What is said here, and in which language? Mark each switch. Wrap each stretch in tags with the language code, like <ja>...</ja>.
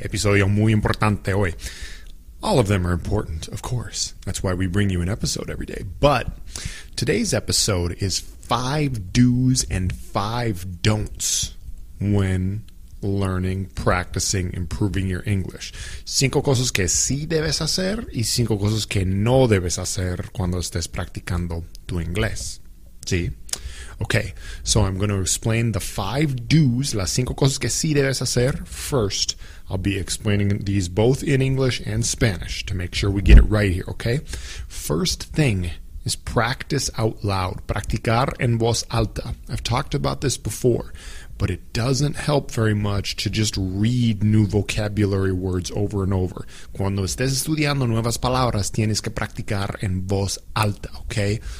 <es>Episodio muy importante hoy.</es> <en>All of them are important, of course. That's why we bring you an episode every day. But today's episode is five do's and five don'ts when learning, practicing, improving your English.</en> <es>Cinco cosas que sí debes hacer y cinco cosas que no debes hacer cuando estés practicando tu inglés.</es> <en>¿Sí? Okay, so I'm going to explain the five do's,</en> <es>las cinco cosas que sí debes hacer</es> <en>first. I'll be explaining these both in English and Spanish to make sure we get it right here, okay? First thing is practice out loud.</en> <es>Practicar en voz alta.</es> <en>I've talked about this before, but it doesn't help very much to just read new vocabulary words over and over.</en> <es>Cuando estés estudiando nuevas palabras, tienes que practicar en voz alta, okay?</es>